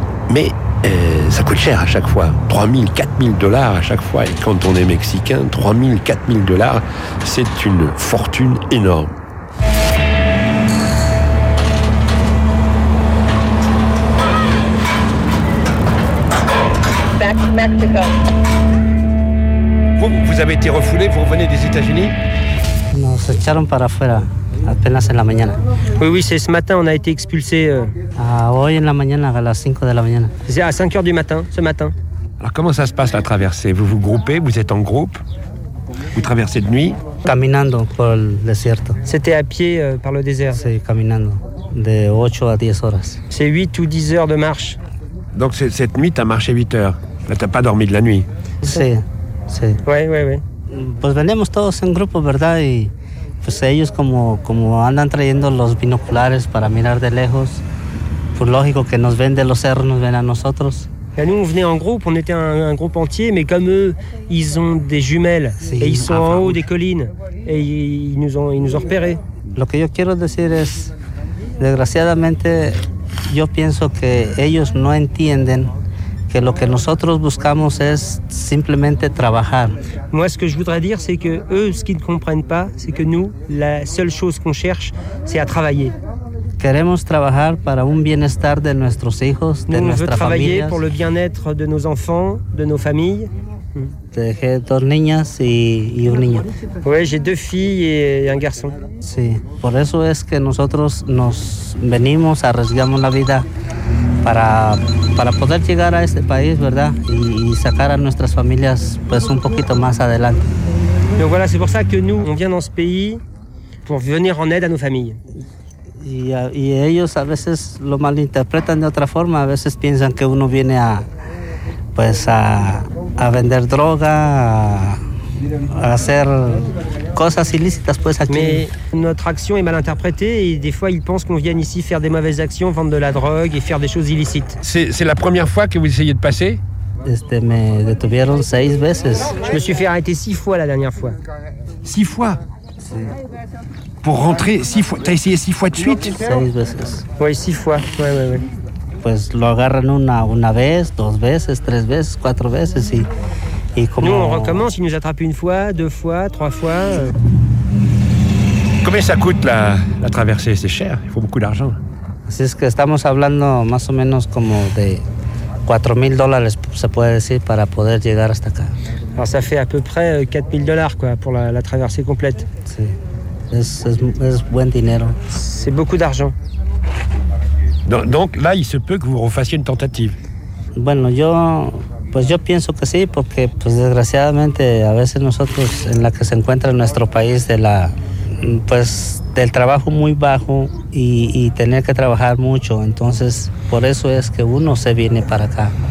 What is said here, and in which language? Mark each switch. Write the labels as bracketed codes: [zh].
[fr] Mais ça coûte cher à chaque fois, 3 000, 4 000 dollars à chaque fois, et quand on est mexicain, 3 000, 4 000 dollars, c'est une fortune énorme. Vous avez été refoulé, vous revenez des États-Unis? [es] Non, se echaron para afuera, apenas en la mañana. [fr] Oui, c'est ce matin, on a été expulsé. [es] Hoy en la mañana, a las 5 de la mañana. [fr] C'est à 5 heures du matin, ce matin. Alors comment ça se passe la traversée? Vous vous groupez, vous êtes en groupe, vous traversez de nuit? [es] Caminando por el desierto. [fr] C'était à pied par le désert? C'est [es] caminando, de 8 à 10 horas. [fr] C'est 8 ou 10 heures de marche. Donc cette nuit, tu as marché 8 heures? Là, t'as pas dormi de la nuit? C'est. Oui. [es] Pues venimos todos en grupo, ¿verdad? Y pues ellos como andan trayendo los binoculares para mirar de lejos, pues lógico que nos ven de los cerros, nos ven a nosotros. [fr] Et nous, on venait en groupe, on était un groupe entier, mais comme eux, ils ont des jumelles, sí, et ils sont en haut des collines, et ils nous ont repérés. [es] Lo que yo quiero decir es, desgraciadamente, yo pienso que ellos no entienden que lo que nosotros buscamos es simplemente trabajar. [fr] Moi, ce que je voudrais dire, c'est que eux, ce qu'ils ne comprennent pas, c'est que nous, la seule chose qu'on cherche, c'est à travailler. [es] Queremos trabajar para un bienestar de nuestros hijos, de nuestra familia. [fr] On veut travailler familias. Pour le bien-être de nos enfants, de nos familles. [es] Dejé dos niñas y un niño. [fr] Oui, j'ai deux filles et un garçon. [es] Sí, por eso es que nosotros nos venimos, arriesgamos la vida para poder llegar a este país, ¿verdad? Y sacar a nuestras familias pues un poquito más adelante. [fr] Donc voilà, c'est pour ça que nous on vient dans ce pays pour venir en aide à nos familles. [es] Y ellos a veces lo malinterpretan de otra forma, a veces piensan que uno viene a pues a vender droga, a hacer cosas ilícitas pues aquí. [fr] Mais notre action est mal interprétée et des fois ils pensent qu'on vient ici faire des mauvaises actions, vendre de la drogue et faire des choses illicites. C'est la première fois que vous essayez de passer? [es] Me detuvieron seis veces. [fr] Je me suis fait arrêter six fois la dernière fois. Six fois? Pour rentrer six fois, t'as essayé six fois de suite? [es] Seis veces. [fr] Oui, six fois. Ouais, ouais, ouais. [es] Pues lo agarran una vez, dos veces, tres veces, cuatro veces y como. [fr] Nous, on recommence, ils nous attrapent une fois, deux fois, trois fois. Combien ça coûte la traversée? C'est cher, il faut beaucoup d'argent. [es] Así es que estamos hablando más o menos como de 4000 dólares, se puede decir, para poder llegar hasta acá. [fr] Alors ça fait à peu près 4000 dólares quoi, pour la traversée complète. [es] Sí. Es buen dinero. [fr] C'est beaucoup d'argent. Donc là, il se peut que vous refassiez une tentative. [es] Bueno, yo pienso que sí, porque pues desgraciadamente a veces nosotros en la que se encuentra nuestro país de la pues del trabajo muy bajo y tener que trabajar mucho, entonces por eso es que uno se viene para acá.